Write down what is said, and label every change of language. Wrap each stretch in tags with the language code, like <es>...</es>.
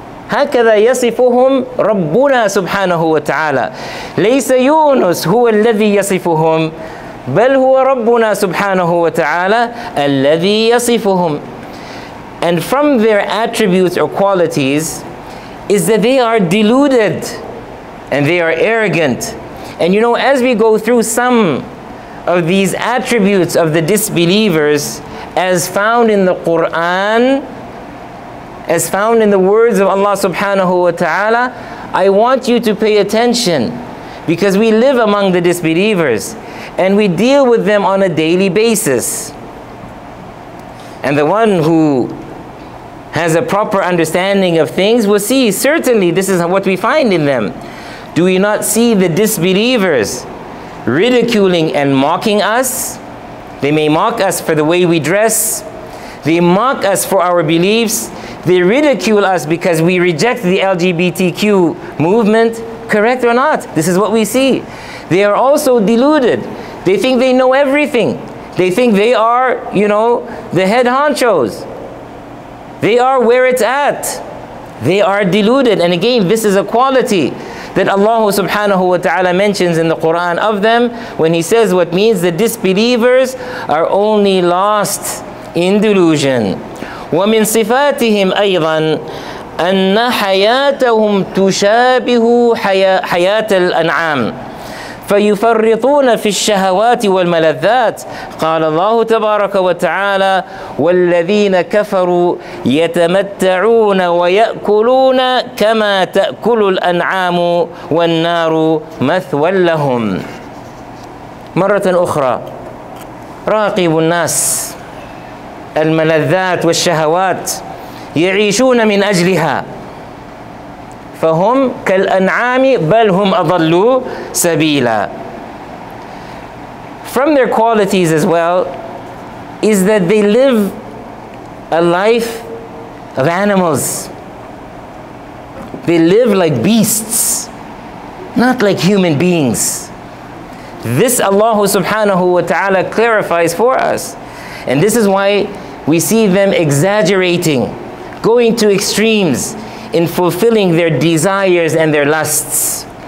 <ar>هكذا يصفهم ربنا سبحانه وتعالى ليس يونس هو الذي يصفهم</ar> <en>بل هو ربنا سبحانه وتعالى الذي يصفهم and from their attributes or qualities is that they are deluded and they are arrogant and you know as we go through some of these attributes of the disbelievers as found in the Quran, as found in the words of Allah subhanahu wa ta'ala, I want you to pay attention because we live among the disbelievers and we deal with them on a daily basis. And the one who has a proper understanding of things will see, certainly this is what we find in them. Do we not see the disbelievers ridiculing and mocking us? They may mock us for the way we dress. They mock us for our beliefs. They ridicule us because we reject the LGBTQ movement. Correct or not? This is what we see. They are also deluded. They think they know everything. They think they are, you know, the head honchos. They are where it's at. They are deluded. And again, this is a quality that Allah subhanahu wa ta'ala mentions in the Quran of them when he says what means the disbelievers are only lost in delusion.</en> <ar>وَمِن صِفَاتِهِمْ أَيْضًا أَنَّ حَيَاتَهُمْ تُشَابِهُ حَيَاتَ الْأَنْعَامِ فَيُفَرِّطُونَ فِي الشَّهَوَاتِ وَالْمَلَذَّاتِ قَالَ اللَّهُ تَبَارَكَ وَتَعَالَى وَالَّذِينَ كَفَرُوا يَتَمَتَّعُونَ وَيَأْكُلُونَ كَمَا تَأْكُلُ الْأَنْعَامُ وَالنَّارُ مَثْوًى لَهُمْ مرة أخرى راقب الناس الملذات والشهوات يعيشون من أجلها فهم كالأنعام بل هم أضلوا سبيلا</ar> <en>From their qualities as well is that they live a life of animals. They live like beasts, not like human beings. This Allah subhanahu wa ta'ala clarifies for us. And this is why we see them exaggerating, going to extremes in fulfilling their desires and their lusts.</en>